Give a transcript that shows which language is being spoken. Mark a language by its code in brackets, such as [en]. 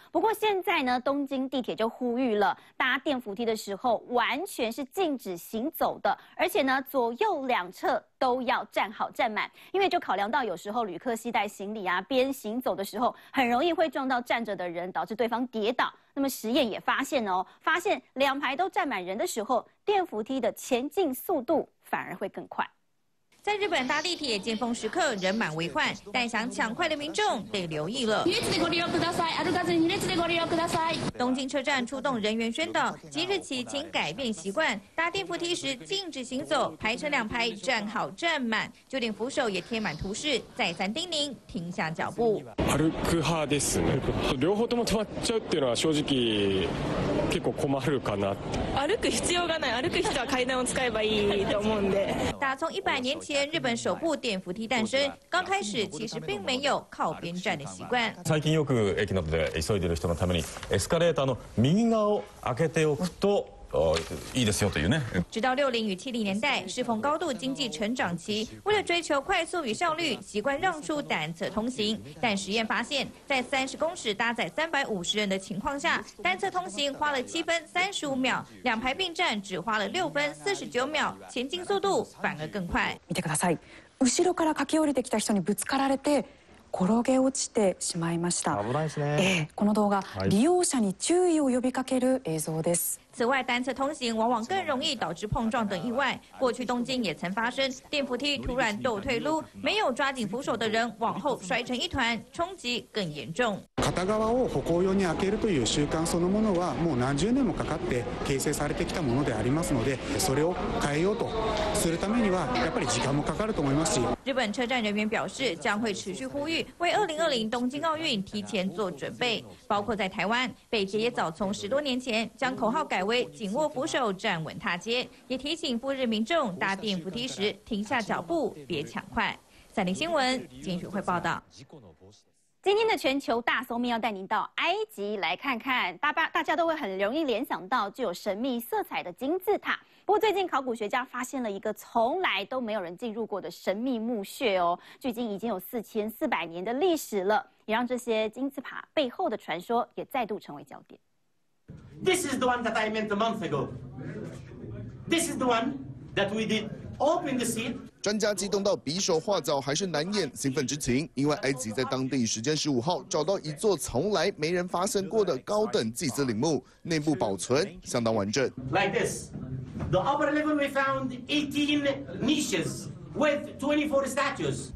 [zh] 不过现在呢，东京地铁就呼吁了，搭电扶梯的时候完全是禁止行走的，而且呢左右两侧都要站好站满，因为就考量到有时候旅客携带行李啊，边行走的时候很容易会撞到站着的人，导致对方跌倒。那么实验也发现哦，发现两排都站满人的时候，电扶梯的前进速度反而会更快。在日本搭地铁尖峰时刻，人满为患，但想抢快的民众得留意了。 [ja] 二列でご利用ください。歩かずに二列でご利用ください。 [zh] 东京车站出动人员宣导，即日起请改变习惯，搭电扶梯时禁止行走，排成两排站好站满。就连扶手也贴满图示，再三叮咛停下脚步。 [ja] 歩く派ですね。両方とも止まっちゃうっていうのは正直結構困るかな。歩く必要がない。歩く人は階段を使えばいいと思うんで。 [zh] 打从100年起。日本首部电扶梯诞生，刚开始其实并没有靠边站的习惯。 [ja] 最近よく駅などで急いでる人のために、エスカレーターの右側を開けておくと。いいですよというね。 [zh] 直到60与70年代，适逢高度经济成长期，为了追求快速与效率，习惯让出单侧通行。但实验发现，在30公尺搭载350人的情况下，单侧通行花了7分35秒，两排并站只花了6分49秒，前进速度反而更快。 [ja] 見てください。後ろから駆け下りてきた人にぶつかられて。転げ落ちてしまいました。危ないですね。この動画、利用者に注意を呼びかける映像です。 [zh] 此外，单侧通行往往更容易导致碰撞等意外。过去东京也曾发生电扶梯突然抖退路，没有抓紧扶手的人往后摔成一团，冲击更严重。 [ja] 片側を歩行用に開けるという習慣そのものはもう何十年もかかって形成されてきたものでありますので、それを変えようとするためにはやっぱり時間もかかると思いますし。 [zh] 日本车站人员表示，将会持续呼吁为2020东京奥运提前做准备，包括在台湾，北捷也早从十多年前将口号改。紧握扶手站稳踏阶，也提醒赴日民众搭电扶梯时停下脚步，别抢快。三立新闻金学会报道。今天的全球大搜秘要带您到埃及来看看，大家都会很容易联想到具有神秘色彩的金字塔。不过最近考古学家发现了一个从来都没有人进入过的神秘墓穴哦，距今已经有4400年的历史了，也让这些金字塔背后的传说也再度成为焦点。 [en] This is the one that I meant a month ago. This is the one that we did open the seat. [zh] 专家激动到比手画脚，还是难掩兴奋之情。因为埃及在当地时间15号找到一座从来没人发现过的高等祭司陵墓，内部保存相当完整。 [en] Like this, the upper level we found 18 niches. With 24 statues.